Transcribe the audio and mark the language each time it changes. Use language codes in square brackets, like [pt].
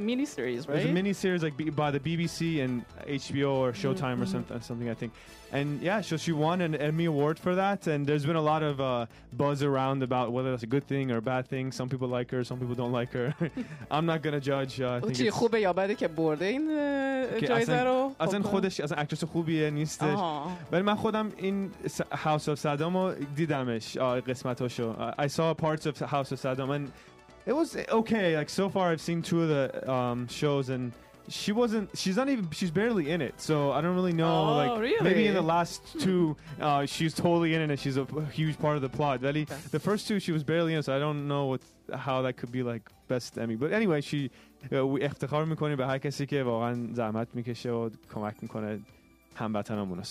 [en] miniseries, right? It was a miniseries like by the BBC and HBO or Showtime mm-hmm. or something, I think. And yeah, so she won an Emmy Award for that. And there's been a lot of buzz around about whether that's a good thing or a bad thing. Some people like her, some people don't like her. I'm not going to judge. [fa] چی خوبه یا بده که برده این جایزه رو؟ اصلا خودش اصلا اکترس خوبیه نیستش. ولی من خودم این House of Saddam رو دیدمش قسمتاشو. [en] I saw parts of House of Saddam and it was okay. Like so far I've seen 2 of the shows and she's barely in it, so I don't really know. Oh, like really? Maybe in the last 2 she's totally in it and she's a huge part of the plot. Really, okay. The first 2 she was barely in, so I don't know what how that could be like best Emmy. But anyway, she we [fa] افتخار میکنیم به هر کسی که واقعا زحمت میکشه و کمک میکنه هموطنامونو.